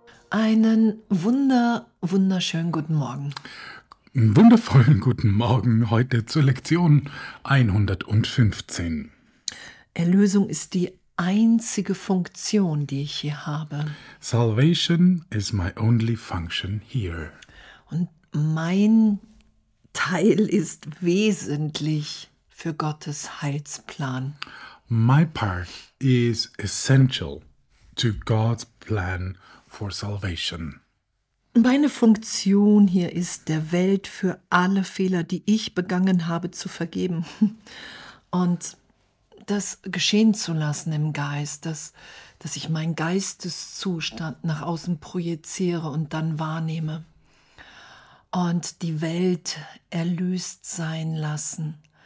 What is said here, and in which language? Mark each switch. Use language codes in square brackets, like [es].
[de] Einen wunderschönen guten Morgen. Einen wundervollen guten Morgen heute zur Lektion 115. Erlösung ist die einzige Funktion, die ich hier habe. [en] Salvation is my only function here. [de] Und mein Teil ist wesentlich für Gottes Heilsplan. [en] My part is essential to God's plan for salvation. [de] Meine Funktion hier ist, der Welt für alle Fehler, die ich begangen habe, zu vergeben und das geschehen zu lassen im Geist, dass ich meinen Geisteszustand nach außen projiziere und dann wahrnehme und die Welt erlöst sein lassen.